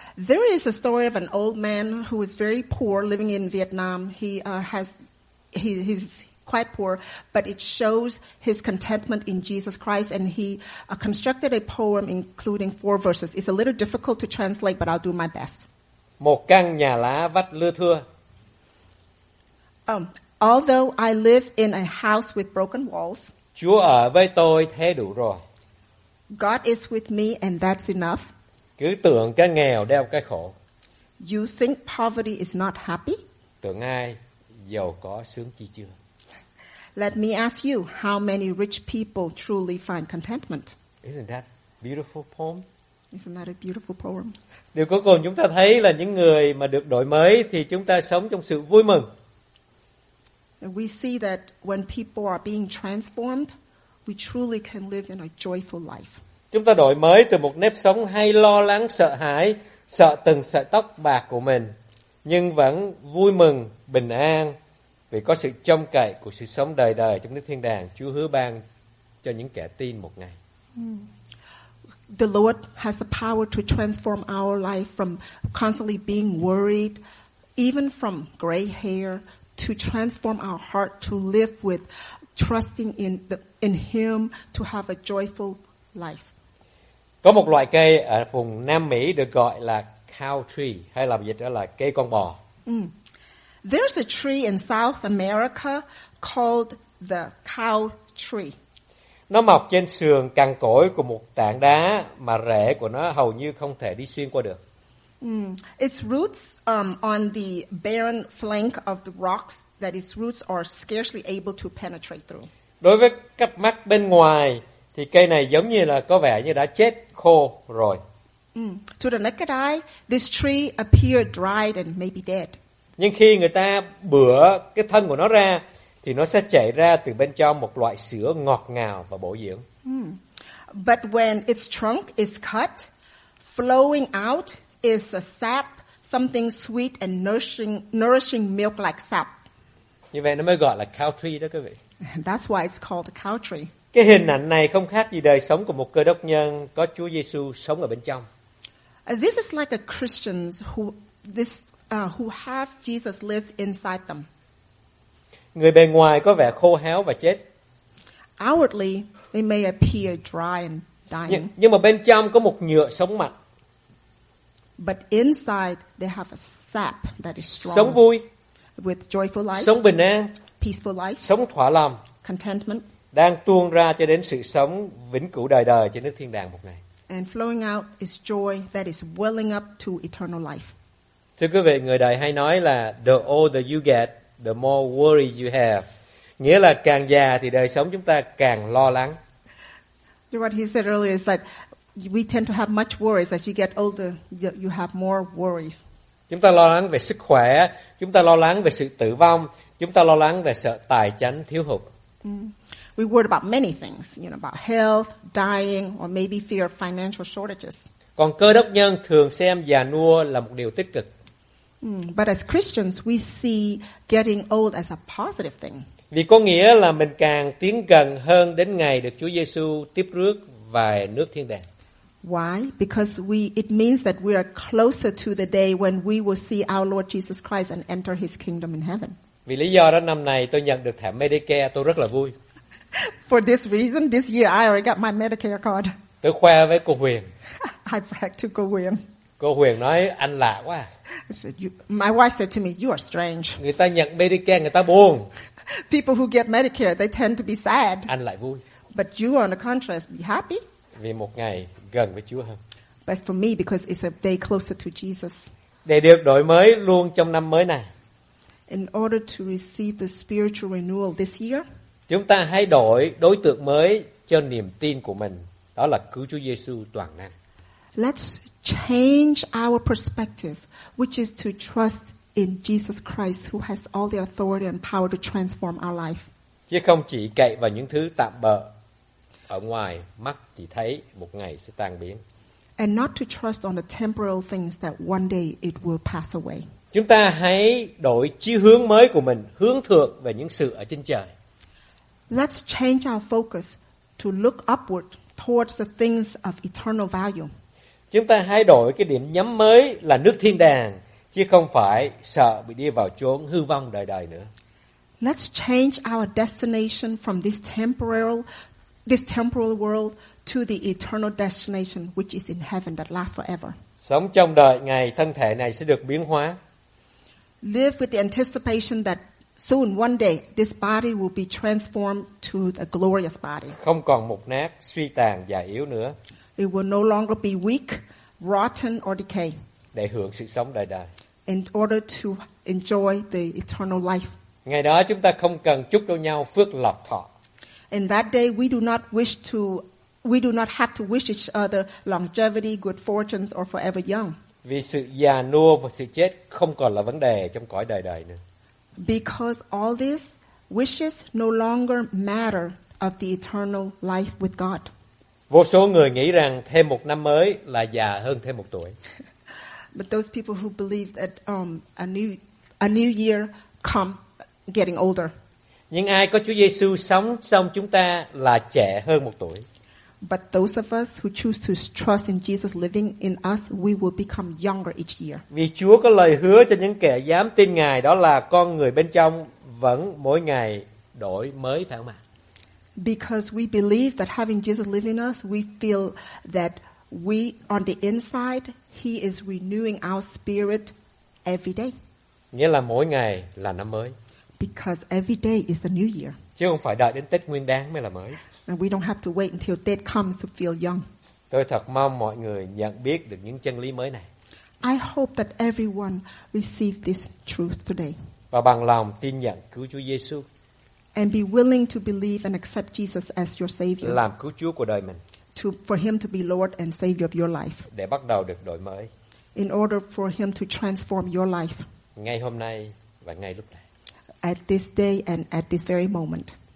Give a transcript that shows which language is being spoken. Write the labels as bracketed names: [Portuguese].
[English] There is a story of an old man who is very poor living in Vietnam. He's quite poor, but it shows his contentment in Jesus Christ, and he constructed a poem including 4 verses. It's a little difficult to translate, but I'll do my best. [Vietnamese] Một căn nhà lá vách lưa thưa. [English] Although I live in a house with broken walls, [Vietnamese] Chúa ở với tôi thế đủ rồi. [English] God is with me and that's enough. [Vietnamese] Cứ tưởng cái nghèo đeo cái khổ. [English] You think poverty is not happy? [Vietnamese] Tưởng ai giàu có sướng chi chưa? [English] Let me ask you, how many rich people truly find contentment? Isn't that beautiful poem? Isn't that a beautiful poem? [Vietnamese] Điều cuối cùng chúng ta thấy là những người mà được đổi mới thì chúng ta sống trong sự vui mừng. [English] We see that when people are being transformed, we truly can live in a joyful life. [Vietnamese] Chúng ta đổi mới từ một nếp sống hay lo lắng, sợ hãi, sợ từng sợi tóc bạc của mình, nhưng vẫn vui mừng, bình an vì có sự trông cậy của sự sống đời đời trong nước thiên đàng Chúa hứa ban cho những kẻ tin một ngày. [English] The Lord has the power to transform our life from constantly being worried, even from gray hair, to transform our heart to live with trusting in him to have a joyful life. [Vietnamese] Có một loại cây ở vùng Nam Mỹ được gọi là cow tree, hay là dịch đó là cây con bò. [English] There's a tree in South America called the cow tree. [Vietnamese] Nó mọc trên sườn cằn cỗi của một tảng đá mà rễ của nó hầu như không thể đi xuyên qua được. [English] Its roots on the barren flank of the rocks that its roots are scarcely able to penetrate through. [Vietnamese] Đối với cặp mắt bên ngoài thì cây này giống như là có vẻ như đã chết khô rồi. [English] To the naked eye, this tree appeared dried and maybe dead. [Vietnamese] Nhưng khi người ta bửa cái thân của nó ra thì nó sẽ chảy ra từ bên trong một loại sữa ngọt ngào và bổ dưỡng. [English] But when its trunk is cut, flowing out is a sap, something sweet and nourishing milk-like sap. [Vietnamese] Như vậy nó mới gọi là cow tree đó quý vị. [English] That's why it's called the cow tree. [Vietnamese] Cái hình ảnh này không khác gì đời sống của một cơ đốc nhân có Chúa Giêsu sống ở bên trong. [English] This is like a Christians who have Jesus lives inside them. [Vietnamese] Người bề ngoài có vẻ khô héo và chết. [English] Outwardly, they may appear dry and dying. [Vietnamese] Nhưng mà bên trong có một nhựa sống mạnh. [English] But inside, they have a sap that is strong. [Vietnamese] Sống vui. [English] With joyful life. [Vietnamese] Sống bình an. [English] Peaceful life. [Vietnamese] Sống thỏa lòng. [English] Contentment. [Vietnamese] Đang tuôn ra cho đến sự sống vĩnh cửu đời đời trên nước thiên đàng một ngày. [English] And flowing out is joy that is welling up to eternal life. [Vietnamese] Thưa quý vị, người đời hay nói là [English] the older you get, the more worry you have. [Vietnamese] Nghĩa là càng già thì đời sống chúng ta càng lo lắng. [English] What he said earlier is that we tend to have much worries as you get older, you have more worries. [Vietnamese] Chúng ta lo lắng về sức khỏe, chúng ta lo lắng về sự tử vong, chúng ta lo lắng về sợ tài chánh thiếu hụt. [English] We worry about many things, you know, about health, dying, or maybe fear of financial shortages. [Vietnamese] Còn cơ đốc nhân thường xem già nua là một điều tích cực. [English] But as Christians, we see getting old as a positive thing. [Vietnamese] Vì có nghĩa là mình càng tiến gần hơn đến ngày được Chúa Giêsu tiếp rước về nước thiên đàng. [English] Why? Because it means that we are closer to the day when we will see our Lord Jesus Christ and enter His kingdom in heaven. [Vietnamese] Vì lý do đó năm này tôi nhận được thẻ Medicare, tôi rất là vui. [English] For this reason, this year I already got my Medicare card. [Vietnamese] Tôi khoe với cô Huyền. [English] I bragged to cô Huyền. [Vietnamese] Cô Huyền nói anh lạ quá. [English] My wife said to me, "You are strange." [Vietnamese] Người ta nhận Medicare người ta buồn. [English] People who get Medicare, they tend to be sad. [Vietnamese] Anh lại vui. [English] But you, on the contrast, be happy. [Vietnamese] Vì một ngày gần với Chúa hơn. [English] But for me, because it's a day closer to Jesus. [Vietnamese] Để được đổi mới luôn trong năm mới này. [English] In order to receive the spiritual renewal this year. [Vietnamese] Chúng ta hãy đổi đối tượng mới cho niềm tin của mình, đó là cứu Chúa Giêsu toàn năng. [English] Let's change our perspective, which is to trust in Jesus Christ who has all the authority and power to transform our life. [Vietnamese] Chứ không chỉ cậy vào những thứ tạm bợ ở ngoài, mắt thì thấy một ngày sẽ tan biến. [English] And not to trust on the temporal things that one day it will pass away. [Vietnamese] Chúng ta hãy đổi chí hướng mới của mình, hướng thượng về những sự ở trên trời. [English] Let's change our focus to look upward towards the things of eternal value. [Vietnamese] Chúng ta hãy đổi cái điểm nhắm mới là nước thiên đàng, chứ không phải sợ bị đi vào chốn hư vong đời đời nữa. [English] Let's change our destination from this temporal world to the eternal destination which is in heaven that lasts forever. [Vietnamese] Sống trong đời ngày thân thể này sẽ được biến hóa. [English] Live with the anticipation that soon, one day, this body will be transformed to a glorious body. [Vietnamese] Không còn mục nát, suy tàn, già yếu nữa. [English] It will no longer be weak, rotten, or decay. [Vietnamese] Để hưởng sự sống đời đời. [English] In order to enjoy the eternal life. [Vietnamese] Ngày đó chúng ta không cần chúc cho nhau phước lộc thọ. [English] In that day, we do not have to wish each other longevity, good fortunes, or forever young. [Vietnamese] Vì sự già nua và sự chết không còn là vấn đề trong cõi đời đời nữa. [English] Because all these wishes no longer matter of the eternal life with God. [Vietnamese] Vô số người nghĩ rằng thêm một năm mới là già hơn thêm một tuổi. [English] But those people who believe that a new year come getting older. [Vietnamese] Nhưng ai có Chúa Giêsu sống trong chúng ta là trẻ hơn một tuổi. [English] But those of us who choose to trust in Jesus living in us, we will become younger each year. [Vietnamese] Vì Chúa có lời hứa cho những kẻ dám tin Ngài, đó là con người bên trong vẫn mỗi ngày đổi mới, phải không ạ? [English] Because we believe that having Jesus living in us, we feel that we, on the inside, He is renewing our spirit every day. [Vietnamese] Nghĩa là mỗi ngày là năm mới. [English] Because every day is the new year. [Vietnamese] Chứ không phải đợi đến Tết Nguyên Đán mới là mới. [English] And we don't have to wait until death comes to feel young. [Vietnamese] Tôi thật mong mọi người nhận biết được những chân lý mới này. [English] I hope that everyone receives this truth today. [Vietnamese] Và bằng lòng tin nhận cứu Chúa Giêsu. [English] And be willing to believe and accept Jesus as your savior. [Vietnamese] Làm cứu Chúa của đời mình. [English] To for him to be Lord and savior of your life. [Vietnamese] Để bắt đầu được đổi mới. [English] In order for him to transform your life. [Vietnamese] Ngay hôm nay và ngay lúc này. [English] At this day and at this very moment.